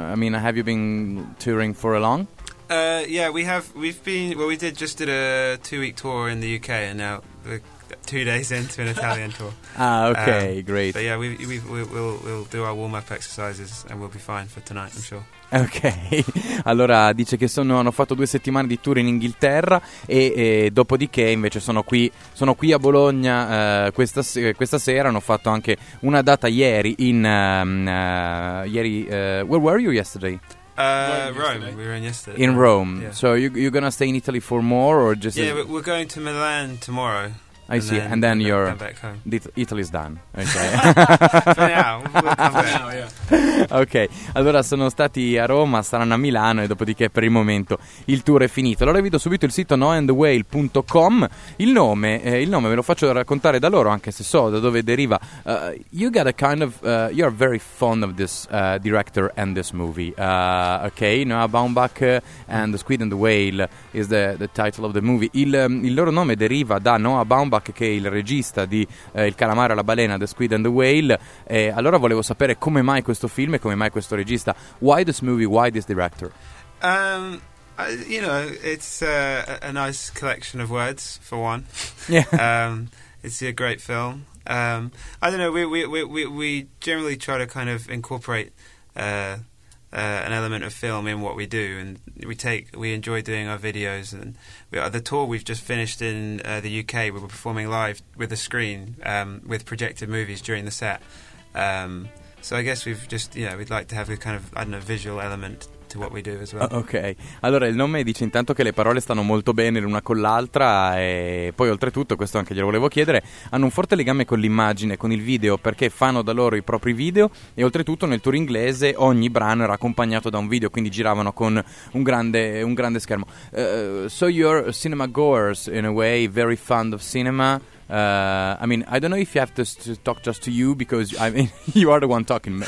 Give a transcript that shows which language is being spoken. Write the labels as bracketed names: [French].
[English] I mean, have you been touring for a long? We did a 2-week tour in the UK, and now we're 2 days into an Italian tour. Okay, great. But yeah, we'll do our warm up exercises and we'll be fine for tonight, I'm sure. [Italian] Ok, allora dice che hanno fatto 2 settimane di tour in Inghilterra e dopodiché invece sono qui a Bologna questa sera. Hanno fatto anche una data ieri in [English] where were you yesterday? Rome. We were in yesterday. In Rome. Yeah. So you're gonna stay in Italy for more or just? Yeah, we're going to Milan tomorrow. I see. Then, and then you're back home. Italy's done. Okay. For now. We'll come back now, yeah. Ok. [Italian] Allora sono stati a Roma, saranno a Milano e dopodiché per il momento il tour è finito. Allora vi do subito il sito noandwhale.com. Il nome ve lo faccio raccontare da loro, anche se so da dove deriva. [English] You got a kind of you are very fond of this director and this movie. Okay, Noah Baumbach and the Squid and the Whale is the title of the movie. [Italian] Il loro nome deriva da Noah Baumbach, che è il regista di Il calamaro e la balena, The Squid and the Whale. Allora volevo sapere come mai questo film e come mai questo regista. [English] Why this movie? Why this director? You know, it's a nice collection of words, for one. Yeah. It's a great film. I don't know, we generally try to kind of incorporate an element of film in what we do, and we enjoy doing our videos, and the tour we've just finished in the UK, we were performing live with a screen with projected movies during the set, so I guess we've just, you know, we'd like to have a kind of, I don't know, visual element to what we do as well. [Italian] Ok, allora il nome dice intanto che le parole stanno molto bene l'una con l'altra e poi oltretutto, questo anche glielo volevo chiedere, hanno un forte legame con l'immagine, con il video, perché fanno da loro i propri video e oltretutto nel tour inglese ogni brano era accompagnato da un video, quindi giravano con un grande schermo. [English] So you're cinema goers in a way, very fond of cinema. I mean, I don't know if you have to talk just to you, because I mean, you are the one talking.